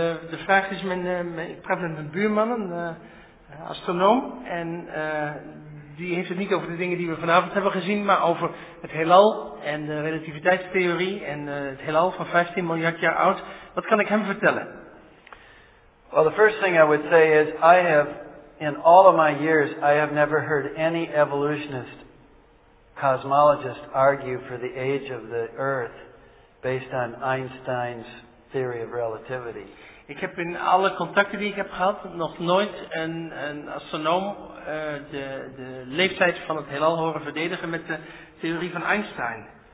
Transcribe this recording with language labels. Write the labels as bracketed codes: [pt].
[nl] De vraag is, ik praat met mijn buurman, een astronoom, en die heeft het niet over de dingen die we vanavond hebben gezien, maar over het heelal en de relativiteitstheorie en het heelal van 15 miljard jaar oud. Wat kan ik hem vertellen? [en] Well, the first thing I would say is, I have, in all of my years, I have never heard any evolutionist cosmologist argue for the age of the Earth based on Einstein's theory of relativity. [nl] Ik heb in alle contacten die ik heb gehad nog nooit een astronoom de leeftijd van het heelal horen verdedigen met de theorie van Einstein.